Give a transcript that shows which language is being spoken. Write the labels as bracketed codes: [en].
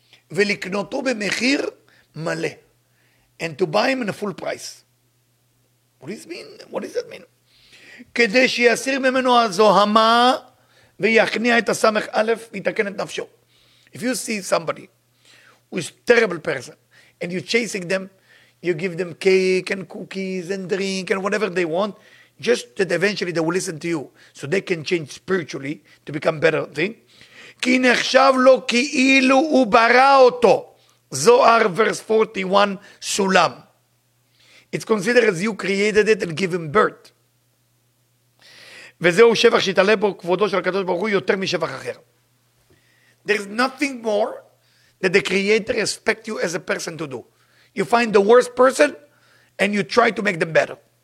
[he] ולקנותו במחיר מלא. [en] And to buy him in a full price. What does it mean? What does that mean? [he] כדי שיסיר ממנו הזוהמה ויכניע את הסמך א' ויתקן את נפשו. [en] If you see somebody who is a terrible person and you're chasing them, you give them cake and cookies and drink and whatever they want, just that eventually they will listen to you so they can change spiritually to become better thing. [he] כי נחשב לו כאילו הוא ברא אותו. זוהר verse 41, סולם. [en] It's considered as you created it and give him birth. [he] וזהו שבח שיתעלה בו כבודו של הקדוש ברוך הוא יותר משבח אחר. [en] There is nothing more that the creator expect you as a person to do. You find the worst person and you try to make them better.